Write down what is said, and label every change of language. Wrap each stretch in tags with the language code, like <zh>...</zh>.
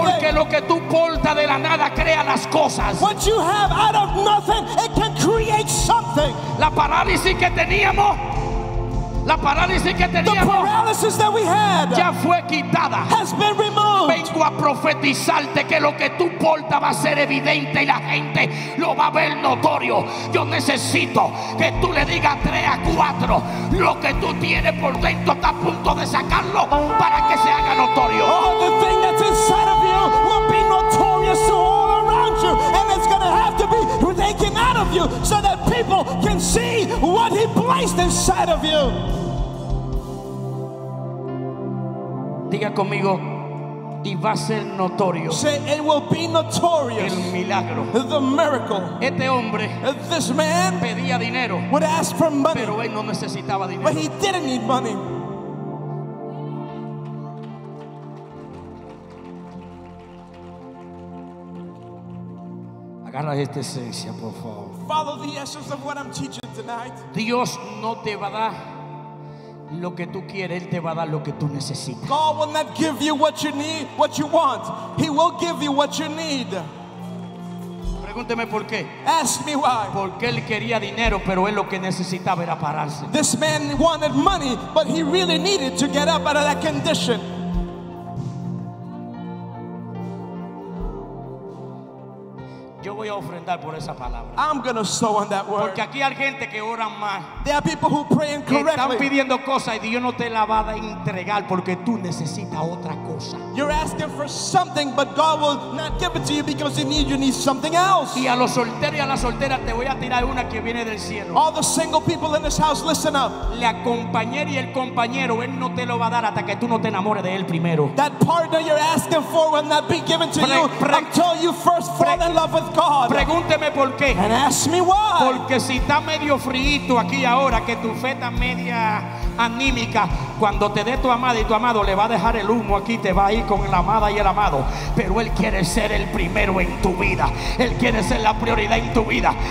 <es>porque lo que tú portas de la nada crea las cosas.</es> <en>What you have out of nothing, it can create something.</en> <es>La parálisis que teníamos, la parálisis que teníamos,</es> <en>the paralysis that we had,</en> <es>ya fue quitada,</es> <en>has been removed.</en> <es>Vengo a profetizarte que lo que tú portas va a ser evidente y la gente lo va a ver notorio. Yo necesito que tú le digas 3 a 4, lo que tú tienes por dentro está a punto de sacarlo para que se haga notorio.</es> <en>All the thing that's inside of you will be notorious to all around you, and it's gonna have to be taken out of you so that people can see what he placed inside of you.</en> <es>Diga conmigo, y va a ser notorio.</es> <en>Say, it will be notorious.</en> <es>El milagro.</es> <en>The miracle.</en> <es>Este hombre,</es> <en>this man,</en> <es>pedía dinero,</es> <en>would ask for money.</en> <es>Pero él no necesitaba dinero.</es> <en>But he didn't need money.</en> <es>Agarra esta esencia, por favor.</es> <en>Follow the essence of what I'm teaching tonight.</en> <es>Dios no te va a dar lo que tú quieres, él te va a dar lo que tú necesitas.</es> <en>God will not give you what you need, what you want. He will give you what you need.</en> <es>Pregúnteme por qué.</es> <en>Ask me why.</en> <es>Porque él quería dinero, pero él lo que necesitaba era pararse.</es> <en>This man wanted money, but he really needed to get up out of that condition.</en> <es>Yo voy a ofrendar por esa palabra.</es> <en>I'm going to sow on that word.</en> <es>Porque aquí hay gente que ora más.</es> <en>There are people who pray incorrectly.</en> <es>Están pidiendo cosas y Dios no te la va a entregar porque tú necesitas otra cosa.</es> <en>You're asking for something, but God will not give it to you because you need something else.</en> <es>Y a los solteros y a las solteras te voy a tirar una que viene del cielo.</es> <en>All the single people in this house, listen up.</en> <es>La compañera y el compañero, él no te lo va a dar hasta que tú no te enamores de él primero.</es> <en>That partner you're asking for will not be given to you until you first fall in love.</en> <es>Pregúnteme por qué.</es> <en>And ask me why.</en> <es>Porque si está medio frío aquí ahora, que tu fe está media anímica, cuando te dé tu amada y tu amado, le va a dejar el humo aquí, te va a ir con la amada y el amado. Pero él quiere ser el primero en tu vida. Él quiere ser la prioridad en tu vida.</es>